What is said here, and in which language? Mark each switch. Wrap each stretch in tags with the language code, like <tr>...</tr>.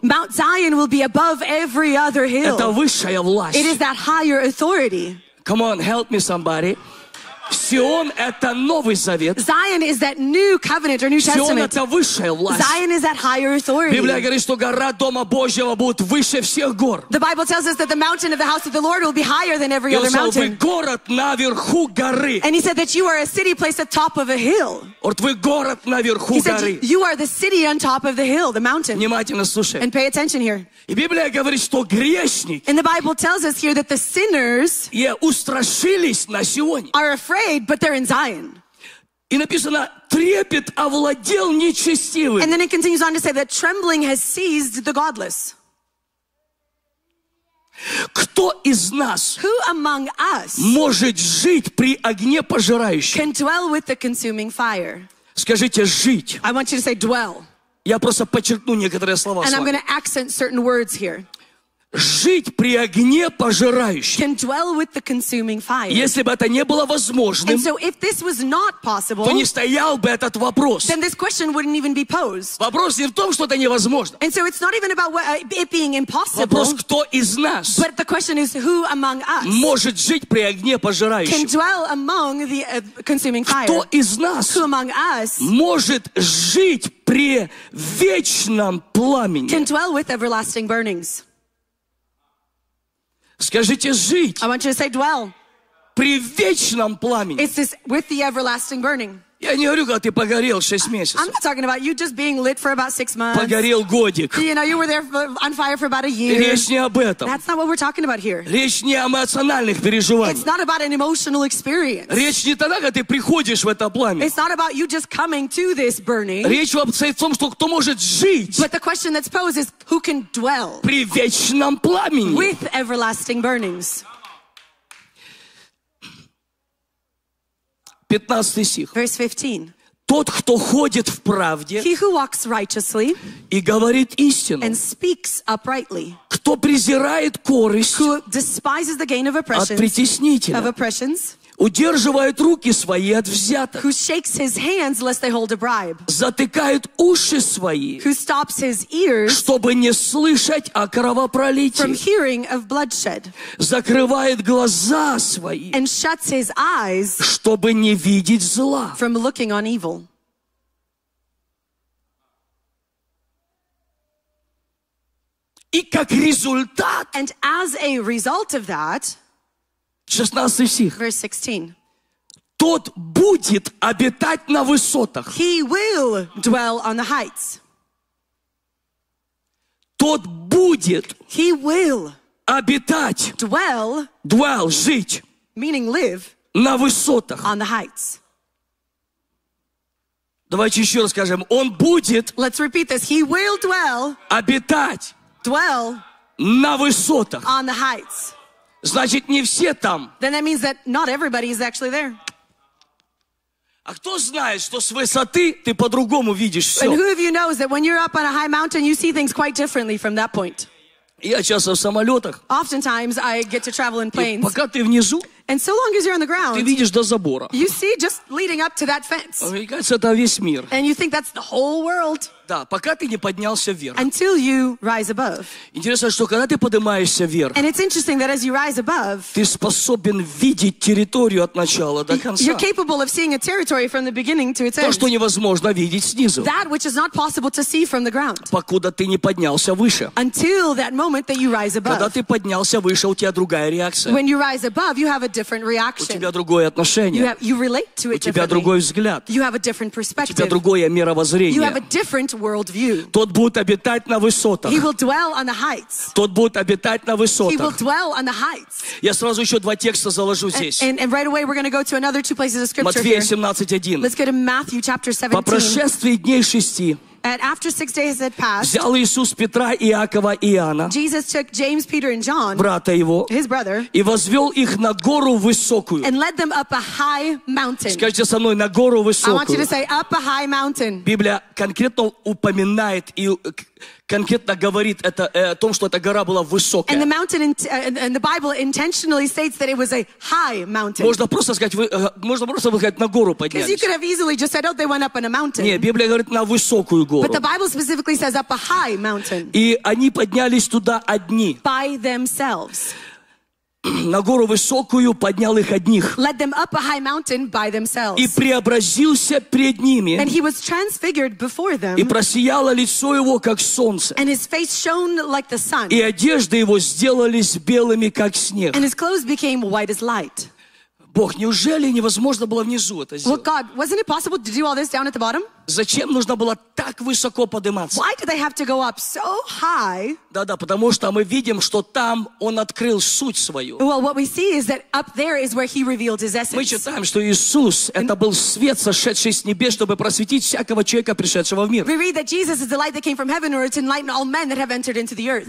<en>Mount Zion will be above every other hill.</en> <ru>Это высшая власть.</ru> <en>It is that higher authority. Come on, help me somebody.</en> <ru>Сион — это Новый Завет.</ru> <en>Zion is that new covenant or new</en> <ru>Сион</ru> <en>testament.</en> <ru>Сион — это высшая власть.</ru> <en>Zion is that higher authority.</en> <ru>Библия говорит, что гора Дома Божьего будет выше всех гор.</ru> <en>The Bible tells us that the mountain of the house of the Lord will be higher than every</en> <ru>И</ru> <en>other</en> <ru>сказал,</ru> <en>mountain.</en> <ru>Вы город наверху горы.</ru> <en>And he said that you are a city placed atop of a hill.</en> <ru>Вот вы город наверху горы.</ru> <en>Said, you are the city on top of the hill, the mountain.</en> <ru>Внимательно слушай.</ru> <en>And pay attention here.</en> <ru>И Библия говорит, что грешник.</ru> <en>And the Bible tells us here that the sinners.</en> <ru>Я устрашились на Сионе.</ru> <en>Are afraid, but they're in Zion.</en> <ru>И написано, трепет овладел нечестивым.</ru> <en>And then it continues on to say that trembling has seized the godless.</en> <ru>Кто из нас</ru> <en>Who among us</en> <ru>может жить при огне пожирающем?</ru> <en>Can dwell with the consuming fire.</en> <ru>Скажите, жить.</ru> <en>I want you to say dwell.</en> <ru>Я просто подчеркну некоторые слова.</ru> <en>And I'm going to accent certain words here.</en> <ru>Жить при огне пожирающем.</ru> <en>Can dwell with the consuming fire.</en> <ru>Если бы это не было возможным,</ru> <en>And so if this was not possible,</en> <ru>то не стоял бы этот вопрос.</ru> <en>Then this question wouldn't even be posed.</en> <ru>Вопрос не в том, что это невозможно.</ru> <en>And so it's not even about it being impossible.</en> <ru>Вопрос, кто из нас</ru> <en>But the question is, who among us</en> <ru>может жить при огне пожирающем.</ru> <en>Can dwell among the consuming fire.</en> <ru>Кто из нас</ru> <en>who among us</en> <ru>может жить при вечном пламени.</ru> <en>Can dwell with everlasting burnings.</en> <ru>Скажите жить.</ru> <en>I want you to say dwell.</en> <ru>При вечном пламени.</ru> <en>It's this with the everlasting burning.</en> <ru>Я не говорю, когда ты погорел 6 месяцев.</ru> <en>I'm not talking about you just being lit for about 6 months.</en> <ru>Погорел годик.</ru> <en>You know, you were there on fire for about a year.</en> <ru>Речь не об этом.</ru> <en>That's not what we're talking about here.</en> <ru>Речь не о эмоциональных переживаниях.</ru> <en>It's not about an emotional experience.</en> <ru>Речь не тогда, когда ты приходишь в это пламя.</ru> <en>It's not about you just coming to this burning.</en> <ru>Речь в том, что кто может жить.</ru> <en>But the question that's posed is who can dwell</en> <ru>при вечном пламени.</ru> <en>With everlasting burnings.</en> <ru>15 стих.</ru> <en>Verse 15.</en> <ru>Тот, кто ходит в правде</ru> <en>He who walks righteously</en> <ru>и говорит истину,</ru> <en>and speaks uprightly,</en> <ru>кто презирает корысть</ru> <en>who despises the gain of oppressions,</en> <ru>от притеснителя,</ru> <en>of oppressions,</en> <ru>удерживает руки свои от взяток,</ru> <en>who shakes his hands lest they hold a bribe,</en> <ru>затыкает уши свои,</ru> <en>who stops his ears,</en> <ru>чтобы не слышать о кровопролитии,</ru> <en>from hearing of bloodshed,</en> <ru>закрывает глаза свои,</ru> <en>and shuts his eyes,</en> <ru>чтобы не видеть зла,</ru> <en>from looking on evil.</en> <ru>И как результат,</ru> <en>and as a result of that,</en> <ru>16 стих.</ru> <en>Verse 16.</en> <ru>Тот будет обитать на высотах.</ru> <en>He will dwell on the heights.</en> <ru>Тот будет</ru> <en>He will</en> <ru>обитать</ru> <en>dwell</en> <ru>жить</ru> <en>meaning live</en> <ru>на высотах.</ru> <en>On the heights.</en> <ru>Давайте еще раз скажем. Он будет</ru> <en>Let's repeat this. He will dwell</en> <ru>обитать</ru> <en>dwell</en> <ru>на высотах.</ru> <en>On the heights.</en> <ru>Значит, не все там.</ru> <en>Then that means that not everybody is actually there.</en> <ru>А кто знает, что с высоты ты по-другому видишь все?</ru> <en>And who of you knows that when you're up on a high mountain, you see things quite differently from that point?</en> <ru>Я часто в самолетах.</ru> <en>Oftentimes I get to travel in planes.</en> <ru>И пока ты внизу,</ru> <en>And so long as you're on the ground,</en> <ru>ты видишь до забора.</ru> <en>You see just leading up to that fence.</en> <ru>Мне кажется, это весь мир.</ru> <en>And you think that's the whole world.</en> <ru>Да, пока ты не поднялся вверх.</ru> <en>Until you rise above.</en> <ru>Интересно, что когда ты поднимаешься вверх,</ru> <en>And it's interesting that as you rise above,</en> <ru>ты способен видеть территорию от начала до конца.</ru> <en>You're capable of seeing a territory from the beginning to its end.</en> <ru>То, что невозможно видеть снизу.</ru> <en>That which is not possible to see from the ground.</en> <ru>Покуда ты не поднялся выше.</ru> <en>Until that moment that you rise above.</en> <ru>Когда ты поднялся выше, у тебя другая реакция.</ru> <en>When you rise above, you have a different reaction.</en> <ru>У тебя другое отношение.</ru> <en>You relate to it differently.</en> <ru>У тебя другой взгляд.</ru> <en>You have a different perspective.</en> <ru>У тебя другое мировоззрение.</ru> <en>You have a different worldview.</en> <ru>Тот будет обитать на высотах.</ru> <en>He will dwell on the heights.</en> <ru>Тот будет обитать на высотах.</ru> <en>He will dwell on the heights.</en> <ru>Я сразу еще два текста заложу здесь.</ru> <en>And right away we're going to go to another two places of scripture.</en> <ru>Матфея 17:1.</ru> <en>Let's go to Matthew chapter 17.</en> <ru>По прошествии дней шести.</ru> <en>And after 6 days had passed,</en> <ru>взял Иисус Петра, Иакова и Иоанна,</ru> <en>Jesus took James, Peter, and John,</en> <ru>брата его,</ru> <en>his brother,</en> <ru>и возвел их на гору высокую.</ru> <en>And led them up a high mountain.</en> <ru>Скажите со мной, на гору высокую.</ru> <en>I want you to say, up a high mountain.</en> <ru>Библия конкретно упоминает и конкретно говорит это, о том, что эта гора была высокая.</ru> <en>And the mountain and the Bible intentionally states that it was a high mountain.</en> <ru>Можно просто сказать, на гору поднялись.</ru> <en>Because you could have easily just said, oh, they went up on a mountain.</en> <ru>Нет, Библия говорит на высокую гору.</ru> <en>But the Bible specifically says up a high mountain.</en> <ru>И они поднялись туда одни.</ru> <en>By themselves.</en> <ru>на гору высокую поднял их одних.</ru> <en>Led them up a high mountain by themselves.</en> <ru>И преобразился пред ними.</ru> <en>And he was transfigured before them.</en> <ru>И просияло лицо его, как солнце.</ru> <en>And his face shone like the sun.</en> <ru>И одежды его сделались белыми, как снег.</ru> <en>And his clothes became white as light.</en> <ru>Бог, неужели невозможно было внизу это сделать?</ru> <en>Well, God, wasn't it possible to do all this down at the bottom?</en> <ru>Зачем нужно было так высоко подниматься?</ru> <en>Why did they have to go up so high?</en> <ru>Да-да, потому что мы видим, что там он открыл суть свою.</ru> <en>Well, what we see is that up there is where he revealed his essence.</en> <ru>Мы читаем, что Иисус это был свет, сошедший с небес, чтобы просветить всякого человека, пришедшего в мир.</ru> <en>We read that Jesus is the light that came from heaven, or to enlighten all men that have entered into the earth.</en>